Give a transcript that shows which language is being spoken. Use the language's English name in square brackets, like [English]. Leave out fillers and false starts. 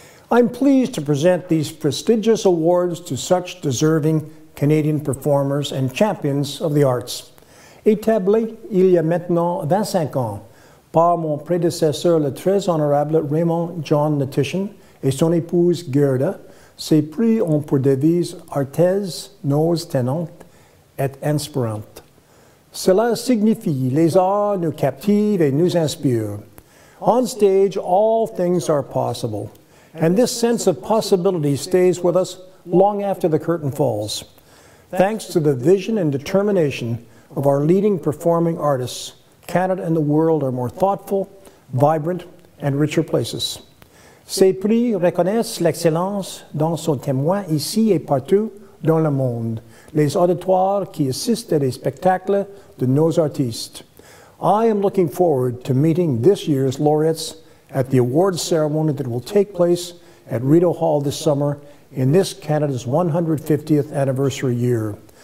[English] I'm pleased to present these prestigious awards to such deserving Canadian performers and champions of the arts. [French] Établi il y a maintenant 25 ans par mon prédécesseur le très honorable Raymond John Natition et son épouse Gerda, ces prix ont pour devise [Latin] Artes nos tenantes et inspirantes. [French] Cela signifie les arts nous captivent et nous inspirent. [English] On stage, all things are possible. And this sense of possibility stays with us long after the curtain falls, thanks to the vision and determination of our leading performing artists, Canada and the world are more thoughtful, vibrant, and richer places. [French] Ces prix reconnaissent l'excellence dans son témoin ici et partout dans le monde, les auditoires qui assistent à des spectacles de nos artistes. [English] I am looking forward to meeting this year's laureates at the awards ceremony that will take place at Rideau Hall this summer in this Canada's 150th anniversary year.